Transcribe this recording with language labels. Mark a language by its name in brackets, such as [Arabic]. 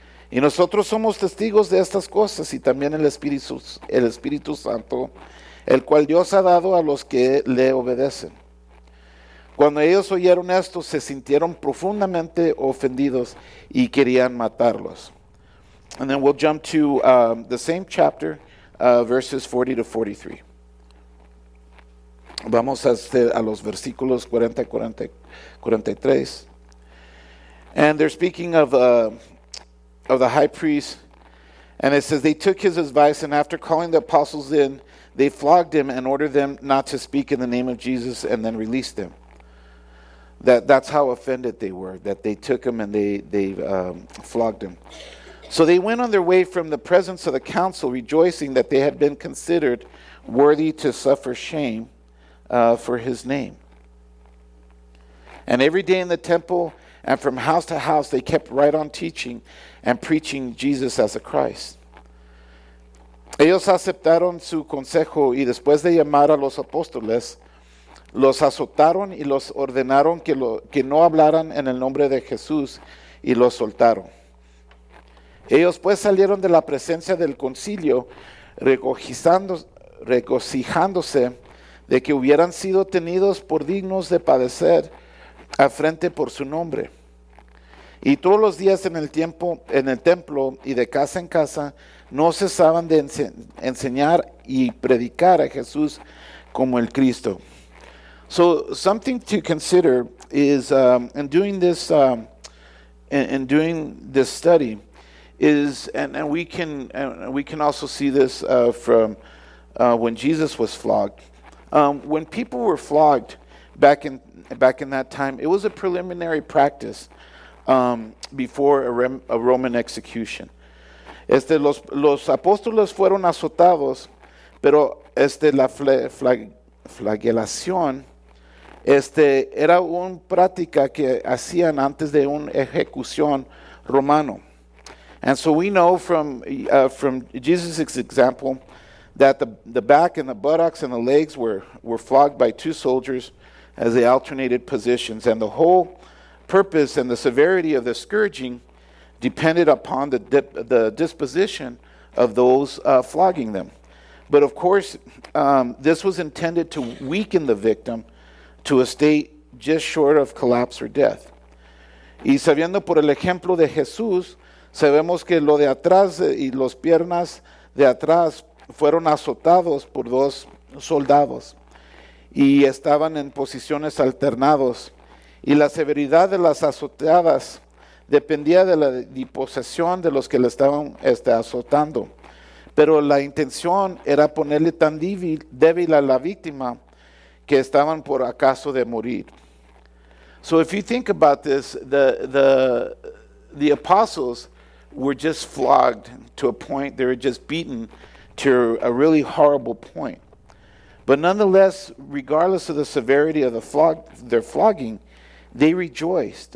[Spanish] Y nosotros somos testigos de estas cosas y también el Espíritu Santo, el cual Dios ha dado a los que le obedecen. Cuando ellos oyeron esto, se sintieron profundamente ofendidos y querían matarlos. [English] And then we'll jump to the same chapter, verses 40 to 43. [Spanish] Vamos a los versículos 40 y 43. [English] And they're speaking of the high priest. And it says, they took his advice, and after calling the apostles in, they flogged him and ordered them not to speak in the name of Jesus, and then released him. That's how offended they were, that they took him and they flogged him. So they went on their way from the presence of the council, rejoicing that they had been considered worthy to suffer shame for his name. And every day in the temple and from house to house, they kept right on teaching and preaching Jesus as a Christ. [Spanish] Ellos aceptaron su consejo y después de llamar a los apóstoles, los azotaron y los ordenaron que no hablaran en el nombre de Jesús y los soltaron. Ellos pues salieron de la presencia del concilio regocijándose de que hubieran sido tenidos por dignos de padecer afrente por su nombre. Y todos los días en el templo y de casa en casa no cesaban de enseñar y predicar a Jesús como el Cristo. [English] So something to consider is in doing this study is, and we can also see this from when Jesus was flogged. When people were flogged back in that time, it was a preliminary practice before a Roman execution. [Spanish] Los apóstoles fueron azotados, pero la flagelación era una práctica que hacían antes de una ejecución romano. [English] And so we know from Jesus' example that the back and the buttocks and the legs were flogged by two soldiers as they alternated positions. And the whole purpose and the severity of the scourging depended upon the disposition of those flogging them. But of course, this was intended to weaken the victim to a state just short of collapse or death. [Spanish] Y sabiendo por el ejemplo de Jesús, sabemos que lo de atrás y las piernas de atrás fueron azotados por dos soldados y estaban en posiciones alternadas. Y la severidad de las azotadas dependía de la disposición de los que le estaban azotando. Pero la intención era ponerle tan débil a la víctima que estaban por acaso de morir. [English] So if you think about this, the apostles were just flogged to a point, they were just beaten to a really horrible point. But nonetheless, regardless of the severity of their flogging, they rejoiced.